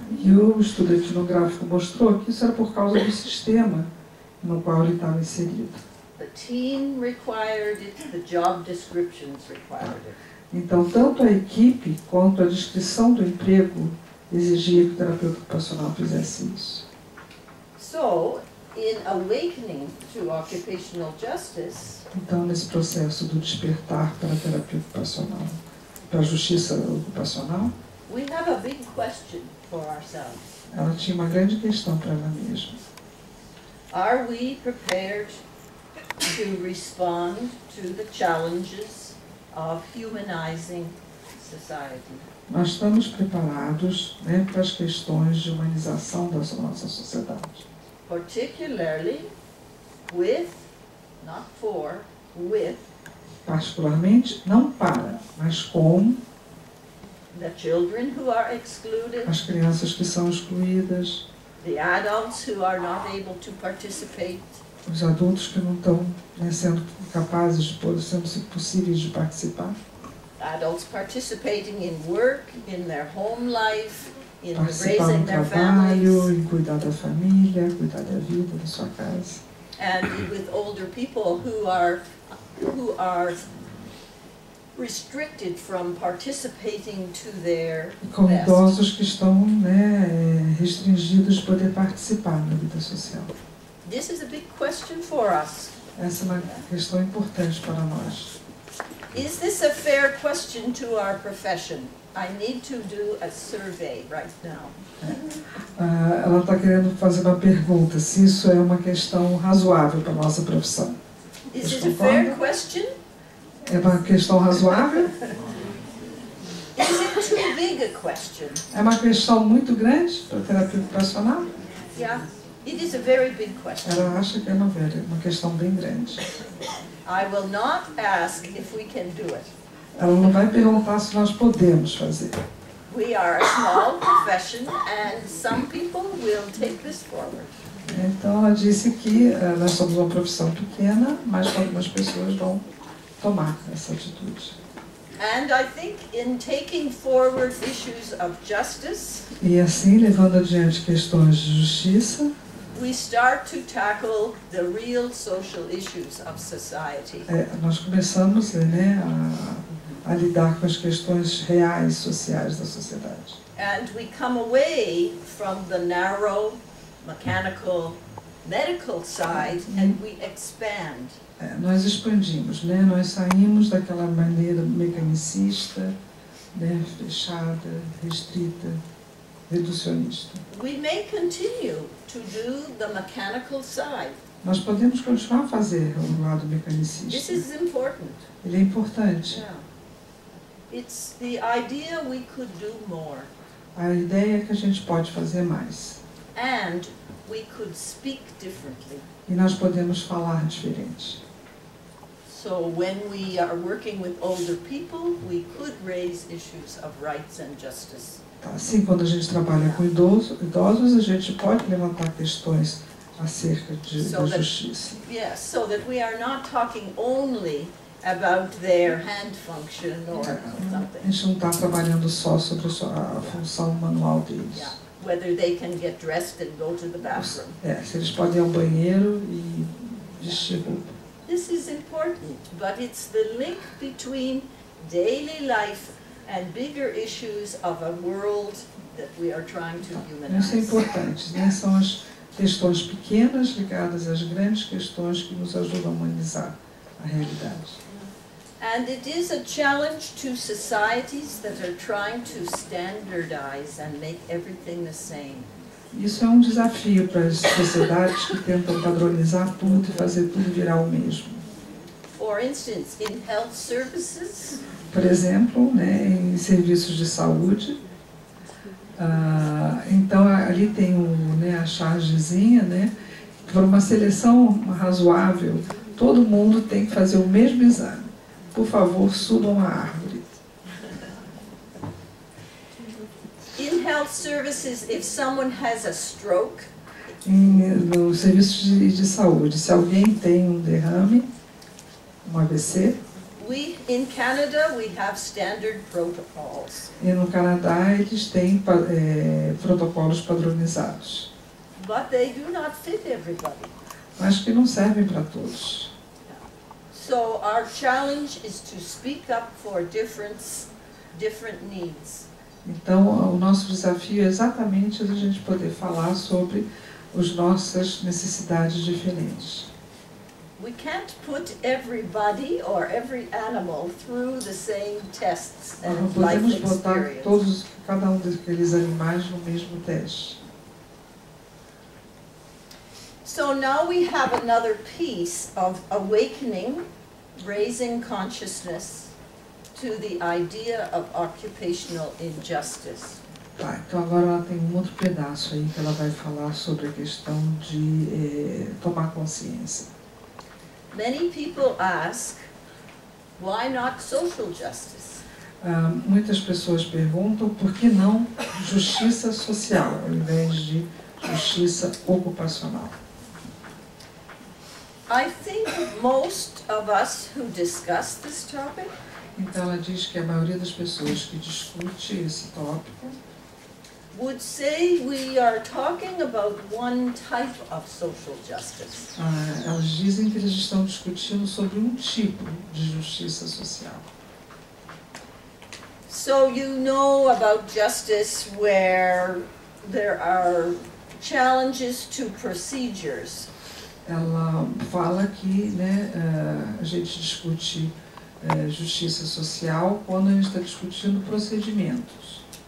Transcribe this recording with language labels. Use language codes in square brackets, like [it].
[pt] E o estudo etnográfico mostrou que isso era por causa do sistema no qual ele estava inserido. [en] The team required it, the job descriptions required it. [pt] Então, tanto a equipe quanto a descrição do emprego exigia que o terapeuta ocupacional fizesse isso. [en] So, in awakening to occupational justice, [pt] então, nesse processo do despertar para a terapia ocupacional, para a justiça ocupacional, [en] we have a big question for ourselves. [pt] Ela tinha uma grande questão para ela mesma. [en] Are we prepared to respond to the challenges of humanizing society? [pt] Nós estamos preparados, né, para as questões de humanização da nossa sociedade. [en] Particularly with, not for, with, [pt] particularmente, não para, mas com [en] the children who are excluded, [pt] as crianças que são excluídas, [en] the adults who are not able to participate, [pt] os adultos que não estão, né, sendo capazes, de sendo possíveis de participar. [en] Adults participating in work, in their home life, in raising their families, [pt] em cuidar da família, cuidar da vida, da sua casa. [en] And with older people who are restricted from participating to their best. [pt] Com idosos que estão, né, restringidos de poder participar na vida social. [en] This is a big question for us. [pt] Essa é uma questão importante para nós. [en] Is this a fair question to our profession? I need to do a survey right now. [pt] Ela está querendo fazer uma pergunta, se isso é uma questão razoável para a nossa profissão. [en] Is it a fair question? [pt] É uma questão razoável? [en] Is it too big a question? [pt] É uma questão muito grande para a terapia ocupacional? [en] Yeah, it is a very big question. [pt] Ela acha que é uma questão bem grande. [en] I will not ask if we can do it. [pt] Ela não vai perguntar se nós podemos fazer. [en] We are a small profession and some people will take this forward. [pt] Então ela disse que nós somos uma profissão pequena, mas algumas pessoas vão tomar essa atitude. [en] And I think in taking forward issues of justice, [pt] e assim levando adiante questões de justiça, [en] we start to tackle the real social issues of society. [pt] Nós começamos, né, a lidar com as questões reais sociais da sociedade. [en] And we come away from the narrow mechanical medical side and we expand. [pt] Nós expandimos, né? Nós saímos daquela maneira mecanicista, né? Fechada, restrita, reducionista. [en] We may continue to do the mechanical side. [pt] Nós podemos continuar a fazer o lado mecanicista. [en] This is important. [pt] Ele é importante. [en] Yeah. It's the idea we could do more. [pt] A ideia é que a gente pode fazer mais. [en] And we could speak differently. [pt] E nós podemos falar diferente. [en] So when we are working with older people, we could raise issues of rights and justice. [pt] Assim, quando a gente trabalha com idosos, a gente pode levantar questões acerca da justiça. [en] Yes, so that we are not talking only about their hand function or something. [pt] A gente não está trabalhando só sobre a função manual deles. [en] Yeah. Whether they can get dressed and go to the bathroom. [pt] Se eles podem ir ao banheiro e vestir roupa. [en] This is important, but it's the link between daily life and bigger issues of a world that we are trying to humanize. [pt] Isso é importante, né? São as questões pequenas ligadas às grandes questões que nos ajudam a humanizar a realidade. [en] And it is a challenge to societies that are trying to standardize and make everything the same. [pt] Isso é um desafio para as sociedades que tentam padronizar tudo e fazer tudo virar o mesmo. [en] For instance, in health services. [pt] Por exemplo, né, em serviços de saúde. Então ali tem a chargezinha, né, por uma seleção razoável, todo mundo tem que fazer o mesmo exame. Por favor, subam a árvore. [en] In health services, if someone has a stroke, [pt] no serviço de saúde, se alguém tem um derrame, um AVC, [en] in Canada, we have standard protocols. [pt] E no Canadá, eles têm protocolos padronizados. [en] But they do not fit everybody. [pt] Mas que não servem para todos. [en] So our challenge is to speak up for different needs. [pt] Então o nosso desafio é exatamente a gente poder falar sobre as nossas necessidades diferentes. [en] We can't put everybody or every animal through the same tests and life experience. [pt] Não podemos botar todos, cada um daqueles animais no mesmo teste. [en] So now we have another piece of awakening, raising consciousness to the idea of occupational injustice. [pt] Tá, então agora ela tem um outro pedaço aí que ela vai falar sobre a questão de tomar consciência. [en] Many people ask, why not social justice? [pt] Muitas pessoas perguntam, por que não justiça social ao invés de justiça ocupacional? [en] I think most of us who discuss this topic. [pt] Então ela diz que a maioria das pessoas que discute esse tópico [en] would say we are talking about one type of social justice. [pt] Elas dizem que eles estão discutindo sobre um tipo de justiça social. [en] So you know about justice where there are challenges to procedures. [pt] Ela fala que, né, a gente discute justiça social quando a gente está discutindo procedimentos.